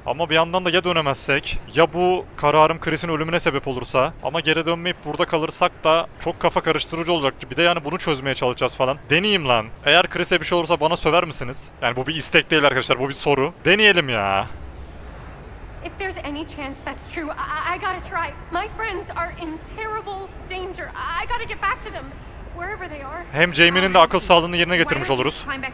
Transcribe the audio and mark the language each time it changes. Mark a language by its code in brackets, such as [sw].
[tr] Ama bir yandan da ya dönemezsek, ya bu kararım Chris'in ölümüne sebep olursa, ama geri dönmeyip burada kalırsak da çok kafa karıştırıcı olacak gibi de yani bunu çözmeye çalışacağız falan. Deneyeyim lan. Eğer Chris'e bir şey olursa bana söver misiniz? Yani bu bir istek değil arkadaşlar, bu bir soru. Deneyelim ya. [en] If there's any chance that's true, I gotta try. My friends are in terrible danger. I gotta get back to them. [tr] Hem Jamie'nin de akıl sağlığını yerine getirmiş oluruz.